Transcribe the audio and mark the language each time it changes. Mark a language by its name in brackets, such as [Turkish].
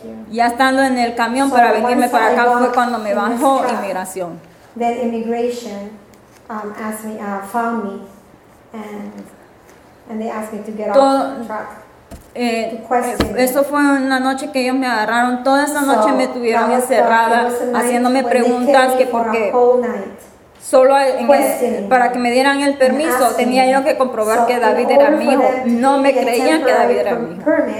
[Spanish] Ya estando en el camión para venirme para acá, fue cuando me bajó inmigración. [English] Then immigration found me and they asked me to get off the truck. [Spanish] Eso fue una noche que ellos me agarraron. Toda esa noche me tuvieron encerrada haciéndome preguntas que por qué. Solo para que me dieran el permiso tenía yo que comprobar que David era mi hijo. No me creían que David era mi hijo.